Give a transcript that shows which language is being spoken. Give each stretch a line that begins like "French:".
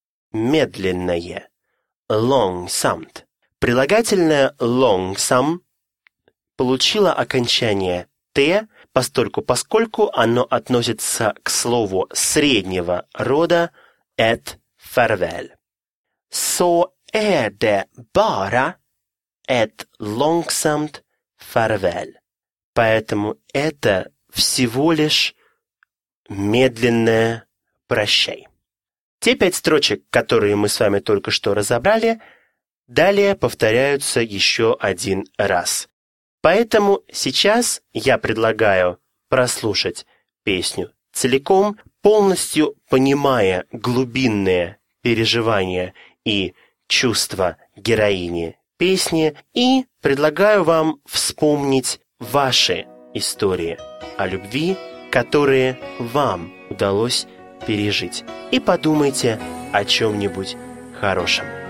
Russian: Медленное. Långsamt. Прилагательное långsam получило окончание «т», постольку-поскольку оно относится к слову среднего рода
Swedish: «ett farväl». Så är det bara ett långsamt farväl.
Russian: Поэтому это всего лишь медленное «Прощай». Те пять строчек, которые мы с вами только что разобрали, далее повторяются еще один раз. Поэтому сейчас я предлагаю прослушать песню целиком, полностью понимая глубинные переживания и чувства героини песни, и предлагаю вам вспомнить ваши истории о любви, которые вам удалось пережить, и подумайте о чем-нибудь хорошем.